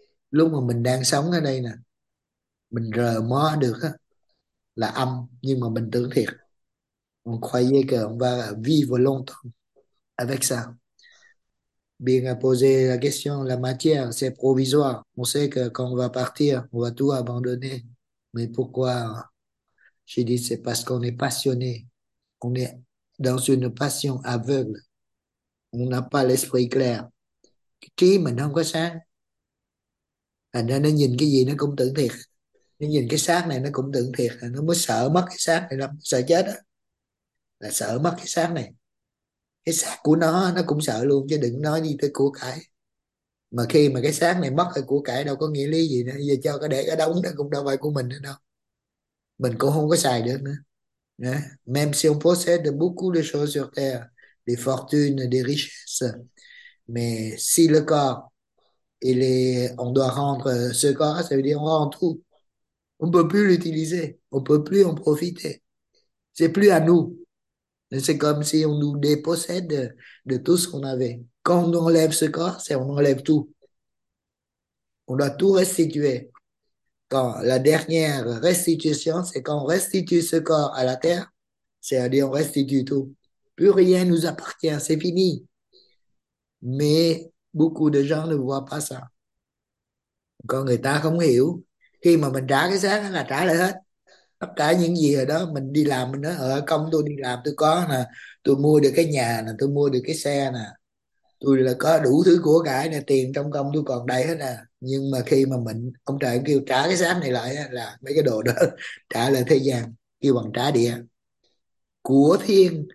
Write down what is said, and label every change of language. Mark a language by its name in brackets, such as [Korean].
[Vietnamese] Lúc mà mình đang sống ở đây nè, mình rờ mó được á, là âm, nhưng mà mình tưởng thiệt. [French] On croyait que on va vivre longtemps avec ça. Bien à poser la question, la matière, c'est provisoire. On sait que quand on va partir, on va tout abandonner. Mais pourquoi? J'ai dit, c'est parce qu'on est passionné. On est dans une passion aveugle. On n'a pas l'esprit clair. [Vietnamese] Trí mình không có sáng. Thành ra nó nhìn cái gì nó cũng tưởng thiệt. Nó nhìn cái xác này nó cũng tưởng thiệt. Nó mới sợ mất cái xác này lắm. Sợ chết á. Là sợ mất cái xác này. Cái xác của nó cũng sợ luôn. Chứ đừng nói gì tới của cải. Mà khi mà cái xác này mất cái của cải đâu có nghĩa lý gì nữa. Giờ cho cái để cái đống nó cũng đâu phải của mình nữa đâu. Mình cũng không có xài được nữa. Đấy. [French] Même si on possède beaucoup de choses sur terre, des fortunes, des richesses. Mais si le corps il est, on doit rendre ce corps, ça veut dire on rend tout. On ne peut plus l'utiliser. On ne peut plus en profiter. Ce n'est plus à nous. C'est comme si on nous dépossède de tout ce qu'on avait. Quand on enlève ce corps, c'est on enlève tout. On doit tout restituer. Quand la dernière restitution, c'est quand on restitue ce corps à la terre, c'est-à-dire on restitue tout. Plus rien nous appartient, c'est fini. Mais beaucoup de gens ne voient pas ça. [Vietnamese] Còn người ta không hiểu. Khi mà mình trả cái xác là trả lại hết. Tất cả những gì ở đó mình đi làm, mình nói ở công tôi đi làm tôi có nè. Tôi mua được cái nhà nè, tôi mua được cái xe nè. Tôi là có đủ thứ của cải nè, tiền trong công tôi còn đầy hết nè, nhưng mà khi mà mình ông trời ông kêu trả cái xác này lại là mấy cái đồ đó trả lại thế gian, kêu bằng trả địa của thiên.